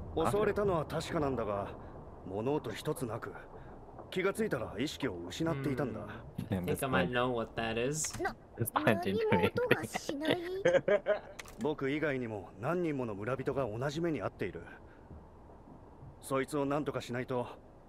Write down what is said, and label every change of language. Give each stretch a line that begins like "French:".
Japanese: 襲われたのは確かなんだが、物音一つなく、気がついたら意識を失っていたんだ。
English: I think I might know what that is. This man didn't do anything.
Japanese: 僕以外にも何人もの村人が同じ目に遭っている。そいつを何とかしないと。